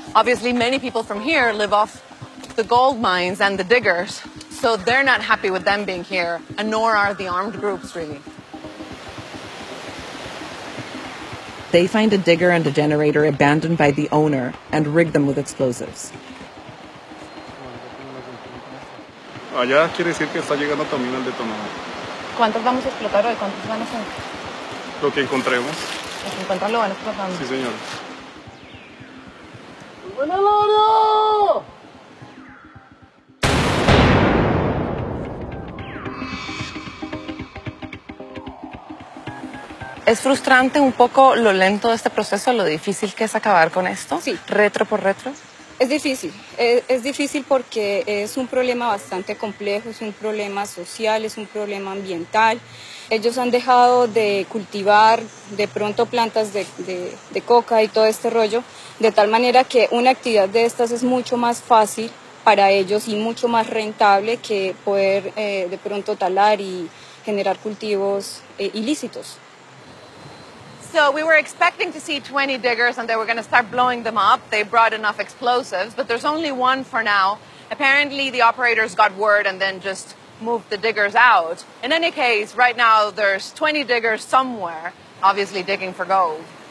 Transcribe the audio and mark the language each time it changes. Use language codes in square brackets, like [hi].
[en] Obviously, many people from here live off the gold mines and the diggers, so they're not happy with them being here, and nor are the armed groups, really. They find a digger and a generator abandoned by the owner and rig them with explosives. [es] Allá quiere decir que está llegando también el detonador. ¿Cuántos vamos a explotar hoy? ¿Cuántos van a ser? Lo que encontremos. Los que encuentran lo van explotando. Sí, señor. ¿Es frustrante un poco lo lento de este proceso, lo difícil que es acabar con esto? Sí. ¿Retro por retro? Es difícil. Es difícil porque es un problema bastante complejo, es un problema social, es un problema ambiental. Ellos han dejado de cultivar de pronto plantas de coca y todo este rollo, de tal manera que una actividad de estas es mucho más fácil para ellos y mucho más rentable que poder de pronto talar y generar cultivos ilícitos. [en] So we were expecting to see 20 diggers and they were going to start blowing them up. They brought enough explosives, but there's only one for now. Apparently the operators got word and then just moved the diggers out. In any case, right now there's 20 diggers somewhere, obviously digging for gold.